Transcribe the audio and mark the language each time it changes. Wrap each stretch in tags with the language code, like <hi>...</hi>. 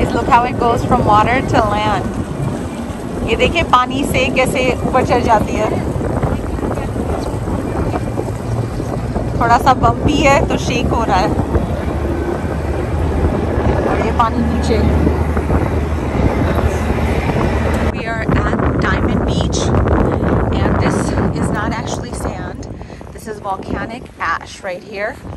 <en>How it goes from water to land.</en> <hi>ये देखिए पानी से कैसे ऊपर चढ़ जाती है. थोड़ा सा bumpy है तो shake हो रहा है. और ये पानी नीचे.</hi> <en>We are at Diamond Beach, and this is not actually sand. This is volcanic ash right here.</en>